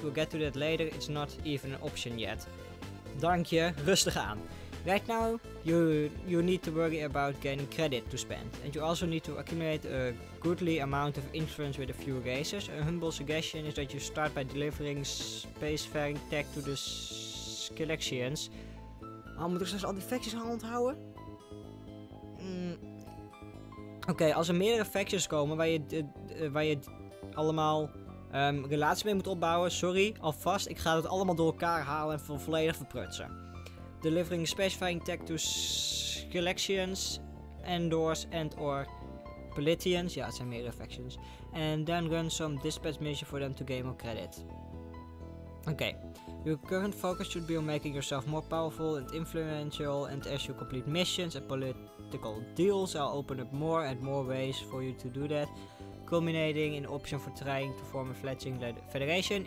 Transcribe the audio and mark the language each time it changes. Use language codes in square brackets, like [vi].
[en] We'll get to that later. It's not even an option yet. [nl] Dank je. Rustig aan. [en] Right now, you need to worry about getting credit to spend. And you also need to accumulate a goodly amount of influence with a few races. A humble suggestion is that you start by delivering spacefaring tech to the Skelexians. [nl] Oh, moet ik straks al die factions gaan onthouden? Oké, als er meerdere factions komen waar je allemaal relaties mee moet opbouwen. Sorry, alvast. Ik ga het allemaal door elkaar halen en volledig verprutsen. [en] Delivering specifying tech to Skelexians, Endors and or Politians. [nl] Ja, het zijn meerdere factions. [en] And then run some dispatch mission for them to gain more credit. [nl] Oké. [en] Your current focus should be on making yourself more powerful and influential. And as you complete missions and political deals, I'll open up more and more ways for you to do that. Culminating in option for trying to form a fledgling federation.